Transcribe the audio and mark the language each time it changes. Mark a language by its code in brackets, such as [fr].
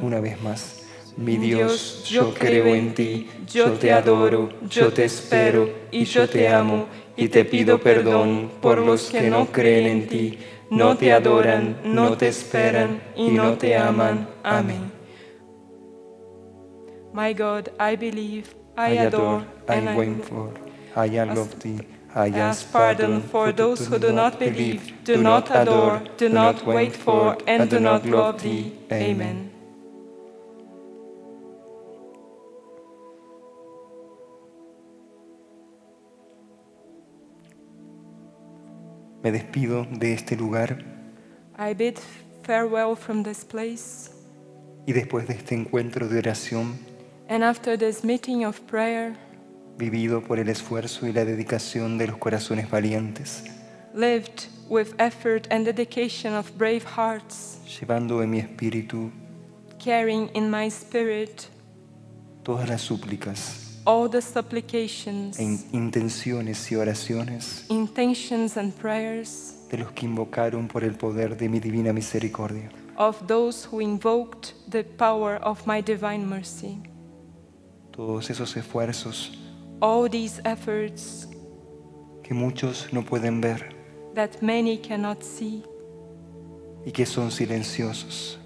[es] Una vez más. Mi Dios, yo creo en ti, yo te adoro, yo te espero y yo te amo y te pido perdón por los que no creen en ti, no te adoran, no te esperan y no te aman. Amén. [en] My God, I believe, I adore, and I went for, I love thee, I ask pardon for those who do not believe, do not adore, do not wait for, and do not love thee. Amen. [es] Me despido de este lugar. [en] I bid farewell from this place. [es] Y después de este encuentro de oración, [en] and after this meeting of prayer, [es] vivido por el esfuerzo y la dedicación de los corazones valientes, [en] lived with effort and dedication of brave hearts, [es] llevando en mi espíritu, [en] carrying in my spirit, [es] todas las súplicas, [en] all the supplications, [es] e intenciones y oraciones, [en] intentions and prayers, [es] de los que invocaron por el poder de mi divina misericordia, [en] of those who invoked the power of my divine mercy. [es] Todos esos esfuerzos, [en] all these efforts, [es] que muchos no pueden ver, [en] that many cannot see, [es] y que son silenciosos,